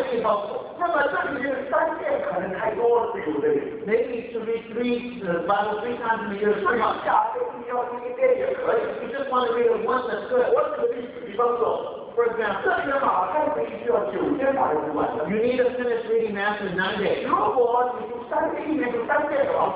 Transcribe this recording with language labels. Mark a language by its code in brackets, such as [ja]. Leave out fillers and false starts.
[zh] 地方，那么这里面三件可能太多了，对不对？ [en] Maybe it should be three, but three times a year. [zh] 所以假如你要读一遍也可以。 [en] You just want to read it once, that's good. [zh] 我举个例子，比方说。 [en] You need to finish reading Matthew in 9 days. [zh] 如果你读三遍，一年读三遍的话，